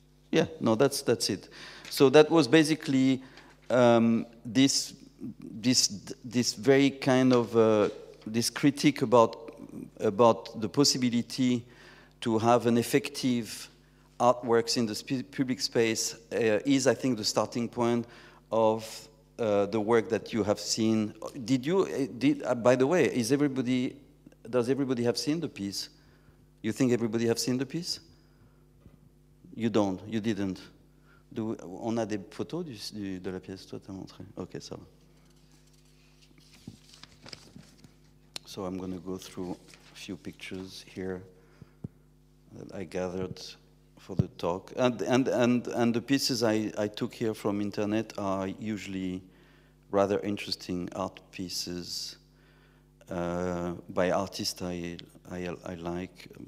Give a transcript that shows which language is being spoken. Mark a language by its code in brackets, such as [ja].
[en] Yeah, no, that's it. So that was basically this very kind of this critique about the possibility to have an effective artworks in the public space is, I think, the starting point of the work that you have seen. Does everybody have seen the piece? You think everybody have seen the piece? You don't. You didn't. [fr] On a des photos de la pièce toi t'as montré. Okay, ça va. [en] So I'm going to go through a few pictures here that I gathered for the talk, and the pieces I took here from internet are usually rather interesting art pieces by artists I like.